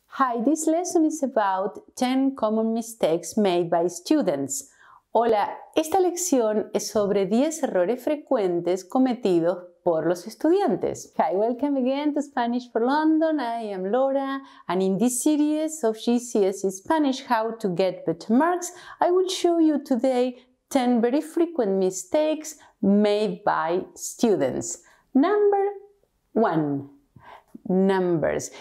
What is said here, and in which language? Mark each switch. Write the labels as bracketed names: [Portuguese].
[English] Hi, this lesson is about 10 common mistakes made by students. [Spanish] Hola, esta lección es sobre 10 errores frecuentes cometidos por los estudiantes. [English] Hi, welcome again to Spanish for London. I am Laura, and in this series of GCSE Spanish, How to Get Better Marks, I will show you today 10 very frequent mistakes made by students. Number 1. Numbers.